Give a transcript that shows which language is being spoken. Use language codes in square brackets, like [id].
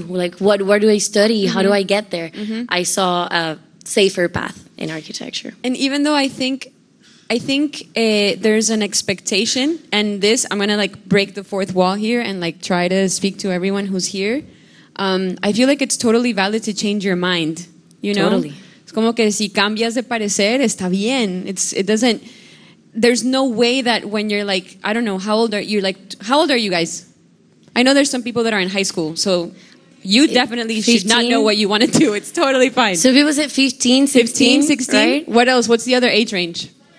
[en] Like where do I study? Mm-hmm. How do I get there? Mm-hmm. I saw a safer path in architecture. And even though I think there's an expectation, and this, I'm going to like break the fourth wall here and like try to speak to everyone who's here. I feel like it's totally valid to change your mind, you know? Totally. [es] Es como que si cambias de parecer, está bien. [en] There's no way that when you're like, I don't know, how old are you guys? I know there's some people that are in high school, so you definitely 15? Should not know what you want to do. It's totally fine. So if it was at 15, 16, 15, 16? Right? What else? What's the other age range?